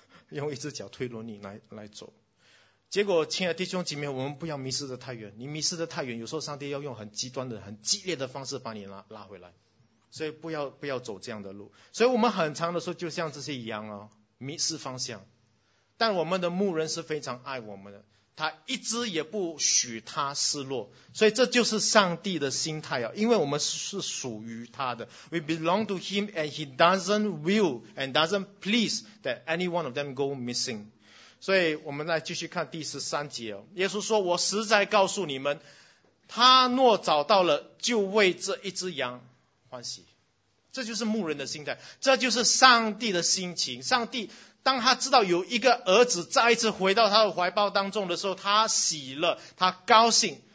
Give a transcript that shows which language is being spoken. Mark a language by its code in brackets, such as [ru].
[zh] 用一只脚推轮椅来走。结果亲爱的弟兄姐妹，我们不要迷失的太远，你迷失的太远，有时候上帝要用很极端的很激烈的方式把你拉回来，所以不要走这样的路。所以我们很长的时候就像这些一样哦，迷失方向，但我们的牧人是非常爱我们的，他一直也不许他失落，所以这就是上帝的心态啊！因为我们是属于他的 [en] ，We belong to him and he doesn't will and doesn't please that any one of them go missing。 [zh] 所以我们来继续看第十三节哦。耶稣说：“我实在告诉你们，他若找到了，就为这一只羊欢喜。” 这就是牧人的心态，这就是上帝的心情。上帝。当他知道有一个儿子再一次回到他的怀抱当中的时候，他喜乐，他高兴。